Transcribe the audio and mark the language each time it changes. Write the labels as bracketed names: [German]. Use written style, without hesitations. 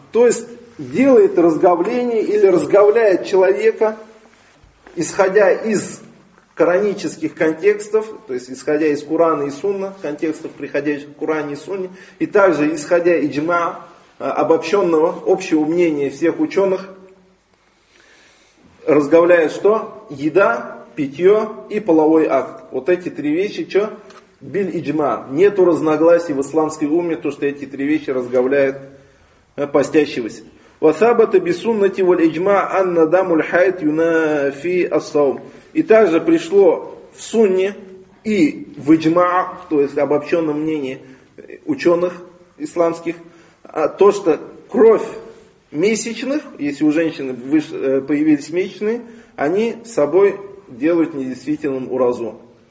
[Russian] То есть, делает разговление или разговляет человека, исходя из коранических контекстов, то есть исходя из Курана и Сунна, контекстов, приходящих в Куране и Сунне, и также исходя из джма, обобщенного, общего мнения всех ученых, разговляя что? Еда, питье и половой акт. Вот эти три вещи, что? Биль и джма. Нету разногласий в исламской уме, то, что эти три вещи разговляют постящегося. [Arabic] وثابت بسنة والإجماع أن دم الحيض ينافي الصوم. [Russian] И также пришло в сунне и в иджма, то есть обобщенном мнении ученых исламских, то, что кровь месячных, если у женщины появились месячные, они собой делают недействительным уразу.